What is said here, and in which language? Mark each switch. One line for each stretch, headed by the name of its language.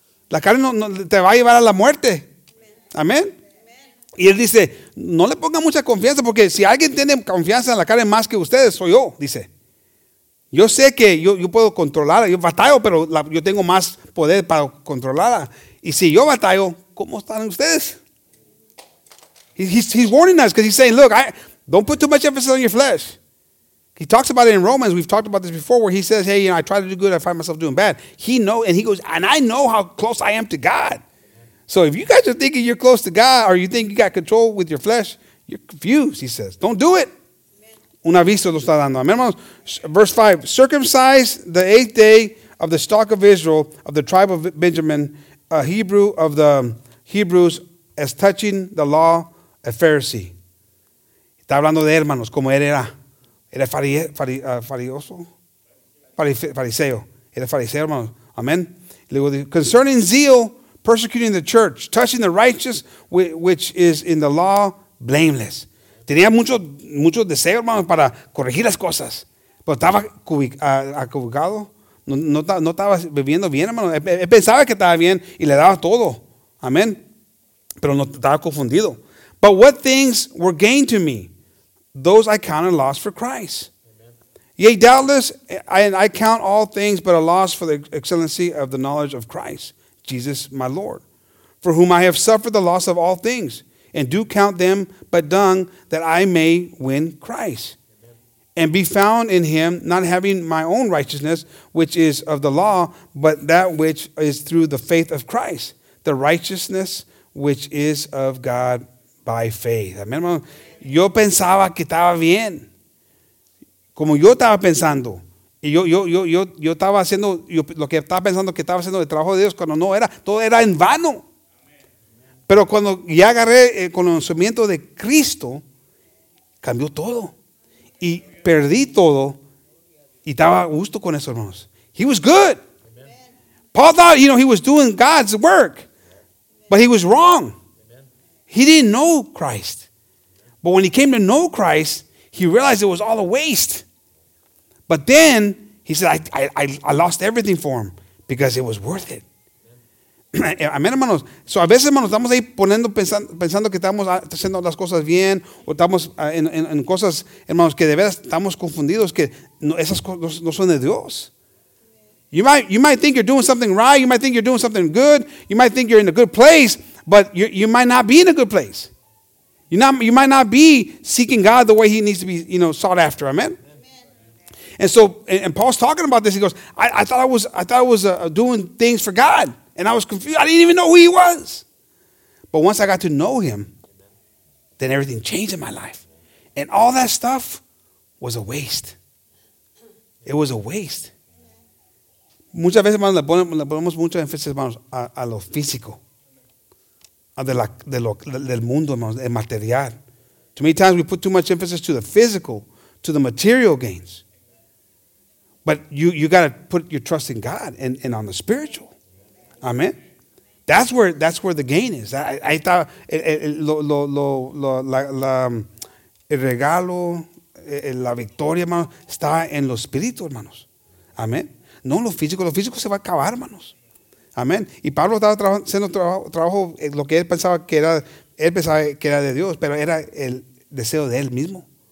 Spanish: La carne no, no te va a llevar a la muerte. Amén. Y él dice, no le ponga mucha confianza, porque si alguien tiene confianza en la carne más que ustedes, soy yo, dice. Yo sé que yo puedo controlarla, yo batallo, pero yo tengo más poder para controlarla. Y si yo batallo, ¿cómo están ustedes?
English: He's warning us, because he's saying, look, don't put too much emphasis on your flesh. He talks about it in Romans. We've talked about this before, where he says, hey, you know, I try to do good, I find myself doing bad. He knows, and he goes, and I know how close I am to God. So if you guys are thinking you're close to God, or you think you got control with your flesh, you're confused, he says. Don't do it.
Spanish: Un aviso lo está dando. Amen, hermanos.
English: Verse 5, circumcised the eighth day of the stock of Israel, of the tribe of Benjamin, a Hebrew of the Hebrews, as touching the law, a Pharisee.
Spanish: Está hablando de hermanos, como él era. Era fariseo. Era fariseo, hermanos. Amen.
English: Luego, concerning zeal, persecuting the church, touching the righteous, which is in the law, blameless.
Spanish: Tenía mucho deseo, hermano, para corregir las cosas. Pero estaba acubicado. No estaba viviendo bien, hermano. Él pensaba que estaba bien y le daba todo. Amén. Pero no estaba confundido.
English: But what things were gained to me? Those I counted lost for Christ. Amen. Yea, doubtless, I count all things but a loss for the excellency of the knowledge of Christ, Jesus my Lord, for whom I have suffered the loss of all things, and do count them but dung, that I may win Christ, and be found in him, not having my own righteousness, which is of the law, but that which is through the faith of Christ, the righteousness which is of God by faith. Amen.
Spanish: Yo pensaba que estaba bien, como yo estaba pensando. Y yo estaba haciendo, lo que estaba pensando que estaba haciendo el trabajo de Dios, cuando no era, todo era en vano. Pero cuando ya agarré el conocimiento de Cristo, cambió todo. Y perdí todo. Y estaba a gusto con eso, hermanos.
English: He was good.
Spanish: Amen.
English: Paul thought, you know, he was doing God's work. But he was wrong. He didn't know Christ. But when he came to know Christ, he realized it was all a waste. But then he said, I lost everything for him because it was worth it.
Spanish: Amén, hermanos. So a veces, hermanos, estamos ahí poniendo, pensando que estamos haciendo las cosas bien, o estamos en cosas, hermanos, que de veras estamos confundidos, que no, esas cosas no son de Dios.
English: You might think you're doing something right. You might think you're doing something good. You might think you're in a good place, but you might not be in a good place. You might not be seeking God the way he needs to be, you know, sought after. Amen. And so, and Paul's talking about this. He goes, I thought I was doing things for God. And I was confused. I didn't even know who he was. But once I got to know him, then everything changed in my life. And all that stuff was a waste. It was a waste.
Spanish: Muchas veces, hermanos, le ponemos mucho énfasis, hermanos, a lo físico. Del mundo, hermanos, el material.
English: Too many times we put too much emphasis to the physical, to the material gains. But you got to put your trust in God and on the spiritual. Amen. That's where the gain is.
Spanish: Ahí está el regalo, la victoria, hermanos, está en lo espíritu, hermanos. Amen. No lo físico. Lo físico se va a acabar, hermanos. Amen. Y Pablo estaba haciendo trabajo lo que él pensaba que era de Dios, pero era el deseo de él mismo.